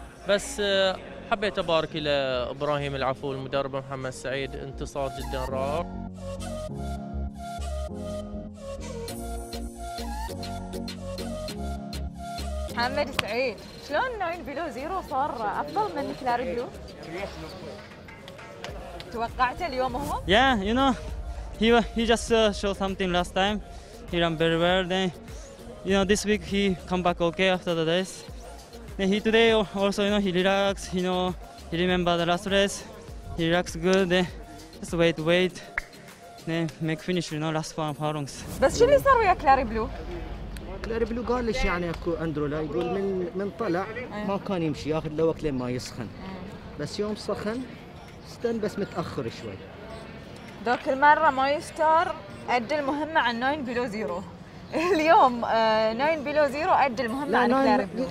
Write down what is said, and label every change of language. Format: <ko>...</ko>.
<ar>بس حبيت ابارك لابراهيم العفو المدرب محمد سعيد، انتصار جدا رائع. محمد سعيد شلون 9 بيلو زيرو صار افضل من كلاري بلو؟ توقعت اليوم هو؟</ar> <en>Yeah, you know, he just showed something last time. He ran very well. Then, you know, this week he come back okay after the race. Then he today also, you know, he relaxed. You know, he remember the last race. He relaxed good. Then just wait. Then make finish, you know, last one for longs.</en> <ar>بس شو اللي صار ويا كلاري بلو؟ كلاري بلو قال ليش يعني اكو اندرو لا يقول من طلع ما كان يمشي ياخذ له وقت لين ما يسخن، بس يوم سخن استن بس متاخر شوي. ذاك المره ماي ستار ادى المهمه عن 9 بيلو زيرو، اليوم 9 بيلو زيرو ادى المهمه عن كلاري بلو.</ar>